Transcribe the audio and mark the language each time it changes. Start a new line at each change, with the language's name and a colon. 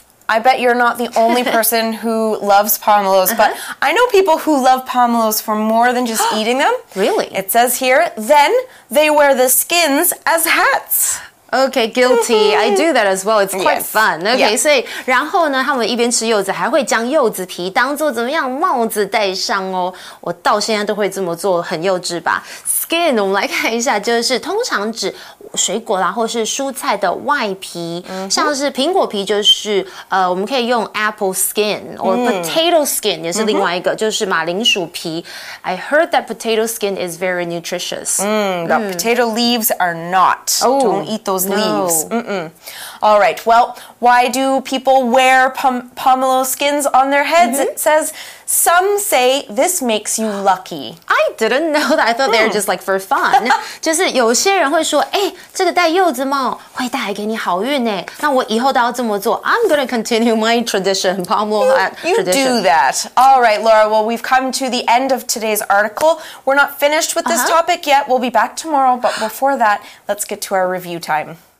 English: I bet you're not the only person who loves pomelos, but I know people who love pomelos for more than just eating them. Really? It says here, then they wear the skins as hats. Okay, guilty. I do that as well. It's quite fun.
Chinese: Okay, 所以然后呢，他们一边吃柚子，还会将柚子皮当作怎么样帽子戴上哦。我到现在都会这么做，很幼稚吧。 Skin, 我们来看一下，就是通常指水果啦，或是蔬菜的外皮，像是苹果皮就是我们可以用
English: apple skin or potato skin
Chinese: 也是另外一个，就是马铃薯皮。
English: I heard that potato skin is very nutritious. Potato leaves are not. Don't eat those leaves. All right. Well, why do people wear pomelo skins on their heads? It says. Some say this makes you lucky. I didn't know that. I thought they were just like for fun.
Chinese: 就是有些人会说，欸，这个戴柚子帽会带来给你好运欸。那我以后都要这么做。
English: I'm going to continue my tradition, pomelo hat tradition. You do that. All right, Laura. Well, we've come to the end of today's article. We're not finished with this topic yet. We'll be back tomorrow. But before that, let's get to our review time.